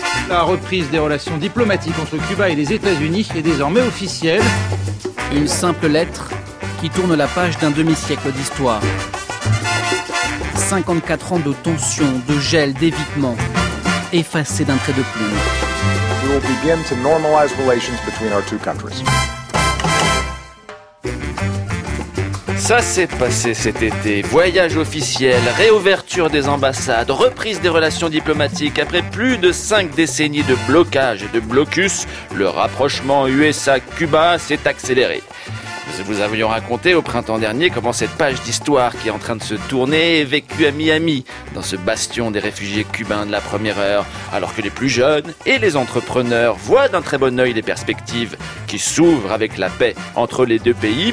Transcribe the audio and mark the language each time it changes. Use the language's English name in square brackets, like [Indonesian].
[French] La reprise des relations diplomatiques entre Cuba et les États-Unis est désormais officielle. Une simple lettre qui tourne la page d'un demi-siècle d'histoire. 54 ans de tension, de gel, d'évitement, effacés d'un trait de plume. [English] We will begin to normalize relations between our two countries. [French] Ça s'est passé cet été. Voyage officiel, réouverture des ambassades, reprise des relations diplomatiques après plus de 5 décennies de blocage et de blocus, le rapprochement USA-Cuba s'est accéléré. Nous vous avions raconté au printemps dernier comment cette page d'histoire qui est en train de se tourner est vécue à Miami, dans ce bastion des réfugiés cubains de la première heure, alors que les plus jeunes et les entrepreneurs voient d'un très bon œil les perspectives qui s'ouvrent avec la paix entre les deux pays.